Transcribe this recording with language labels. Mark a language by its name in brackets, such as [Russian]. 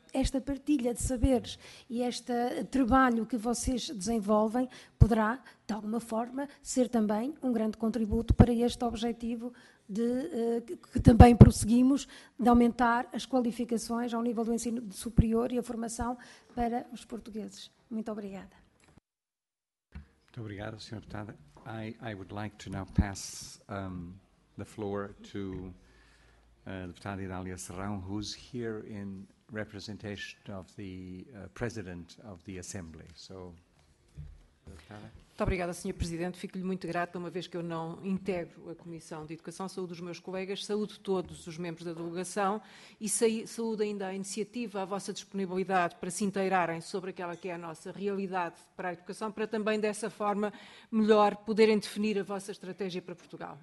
[Portuguese] esta partilha de saberes e este trabalho que vocês desenvolvem poderá, de alguma forma, ser também um grande contributo para este objetivo de, que também prosseguimos, de aumentar as qualificações ao nível do ensino superior e a formação para os portugueses. Muito obrigada. Muito obrigado, Sra. Deputada. [English] I would like to now pass the floor to Deputada Idalia Serrão, who's here in representation of the President of the Assembly. So, [Portuguese] muito obrigada, Sr. Presidente. Fico-lhe muito grata, uma vez que eu não integro a Comissão de Educação. Saúdo os meus colegas, saúdo todos os membros da delegação e saúdo ainda a iniciativa, a vossa disponibilidade para se inteirarem sobre aquela que é a nossa realidade para a educação, para também, dessa forma, melhor poderem definir a vossa estratégia para Portugal.